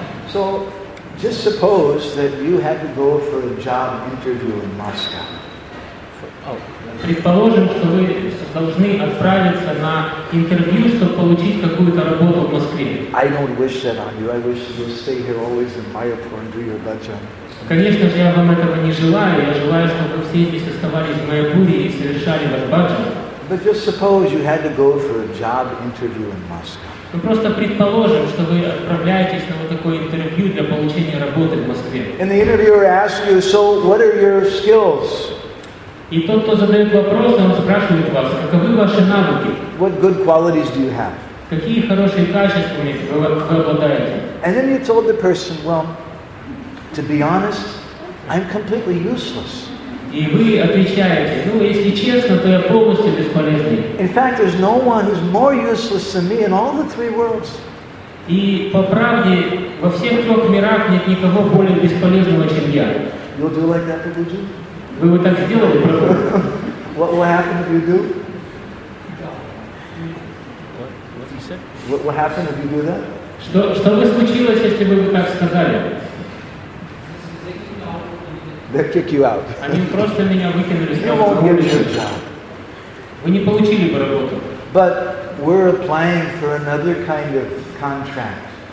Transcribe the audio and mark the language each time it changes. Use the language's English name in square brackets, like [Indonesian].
[English] So, just suppose that you had to go for a job interview in Moscow. [Russian] Предположим, что вы должны отправиться на интервью, чтобы получить какую-то работу в Москве. [English] I don't wish that on you. I wish you stay here always in Mayapur and do your dacha. [Russian] Конечно же, я вам этого не желаю. Я желаю, чтобы вы все здесь оставались в Майапуре и совершали ваш баджан. [English] But just suppose you had to go for a job interview in Moscow. [Russian] Ну просто предположим, что вы отправляетесь на вот такое интервью для получения работы в Москве. [English] And the interviewer asks you, so what are your skills? [Russian] И тот, кто задает вопрос, он спрашивает вас, каковы ваши навыки? [English] What good qualities do you have? [Russian] Какие хорошие качества вы обладаете? [English] And then you told the person, well, to be honest, I'm completely useless. [Russian] И вы отвечаете, ну если честно, то я полностью бесполезный. [English] In fact, there's no one who's more useless than me in all the three worlds. [Russian] И по правде, во всех трех мирах нет никого более бесполезного, чем я. [English] You'll do like that, would you? [Russian] Вы бы так сделали, правда? [English] What will happen if you do? What did he say? What will happen if you do that? [Russian] Что бы случилось, если бы вы так сказали? [English] They'll kick you out. You won't get your job. [Russian] Вы не получили бы работу. [English] But we're applying for another kind of contract.